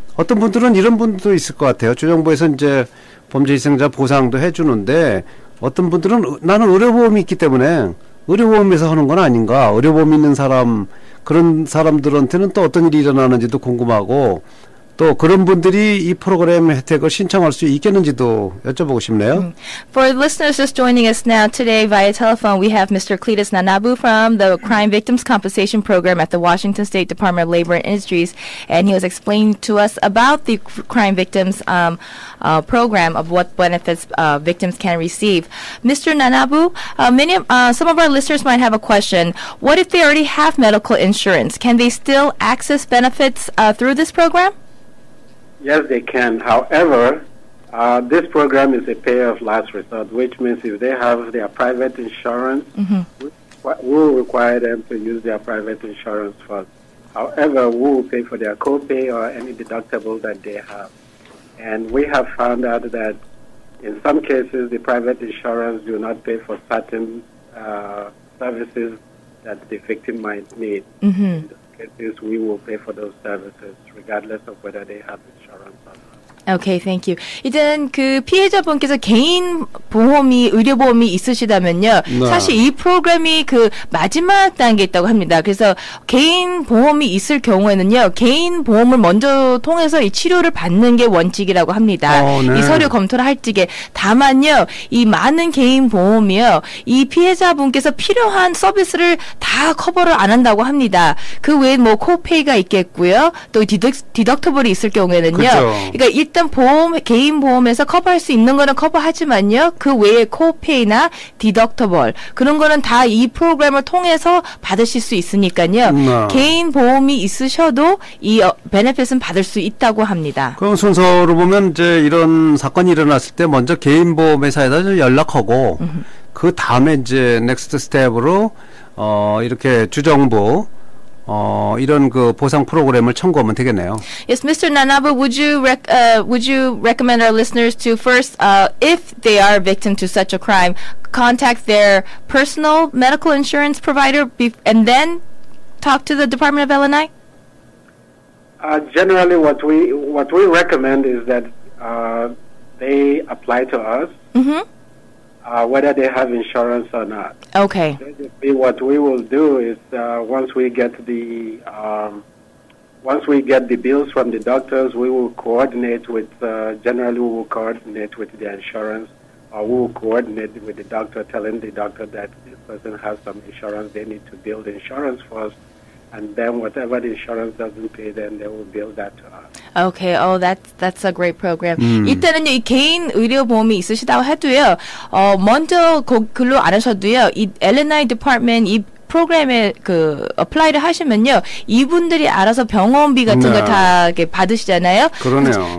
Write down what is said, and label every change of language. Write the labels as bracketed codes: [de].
[ko] 어떤 분들은 이런 분도 있을 것 같아요. 주정부에서 이제 범죄희생자 보상도 해 주는데 어떤 분들은 나는 의료보험이 있기 때문에 의료보험에서 하는 건 아닌가. 의료보험 있는 사람 그런 사람들한테는 또 어떤 일이 일어나는지도 궁금하고 또 그런 분들이 이 프로그램 혜택을 신청할 수 있겠는지도 여쭤보고 싶네요. [en] For the listeners just joining us now today via telephone, we have Mr. Cletus Nnanabu from the Crime Victims Compensation Program at the Washington State Department of Labor and Industries, and he was explaining to us about the Crime Victims Program of what benefits victims can receive. Mr. Nnanabu, some of our listeners might have a question. What if they already have medical insurance? Can they still access benefits through this program? Yes, they can. However, this program is a payer of last resort, which means if they have their private insurance, mm-hmm. we will require them to use their private insurance first. However, we will pay for their copay or any deductible that they have. And we have found out that in some cases, the private insurance do not pay for certain services that the victim might need. Mm-hmm. In those cases, we will pay for those services, regardless of whether they have insurance or not. Okay, thank you. [ko] 일단 그 피해자분께서 개인 보험이 의료 보험이 있으시다면요. 네. 사실 이 프로그램이 그 마지막 단계 있다고 합니다. 그래서 개인 보험이 있을 경우에는요. 개인 보험을 먼저 통해서 이 치료를 받는 게 원칙이라고 합니다. 네. 이 서류 검토를 할 적에 다만요. 이 많은 개인 보험이요. 이 피해자분께서 필요한 서비스를 다 커버를 안 한다고 합니다. 그 외에 뭐 코페이가 있겠고요. 또 디덕터블이 있을 경우에는요. 그쵸. 그러니까 일단 보험 개인 보험에서 커버할 수 있는 거는 커버하지만요. 그 외에 코페이나 디덕터블 그런 거는 다 이 프로그램을 통해서 받으실 수 있으니까요. 개인 보험이 있으셔도 이 베네핏은 받을 수 있다고 합니다. 그럼 순서로 보면 이제 이런 사건이 일어났을 때 먼저 개인 보험 회사에다 연락하고 그 다음에 이제 넥스트 스텝으로 이렇게 주정부 이런 그 보상 프로그램을 청구하면 되겠네요. [en] Yes, Mr. Nnanabu, would you recommend our listeners to first, if they are victim to such a crime, contact their personal medical insurance provider and then talk to the Department of L&I? Generally, what we recommend is that they apply to us. Whether they have insurance or not. Okay. Basically, what we will do is once we get the bills from the doctors, we will coordinate with. Generally, we will coordinate with the insurance, or we will coordinate with the doctor, telling the doctor that this person has some insurance. They need to build insurance first, and then whatever the insurance doesn't pay, then they will bill that to us. Okay. Oh, that's a great program. [ko] 일단은요, 이 개인 의료 보험이 있으시다고 해도요, 먼저 글로 안 하셔도요, 이 L&I department 이 프로그램에 그 어플라이를 하시면요, 이분들이 알아서 병원비 같은 걸 다 이렇게 받으시잖아요. 그러네요.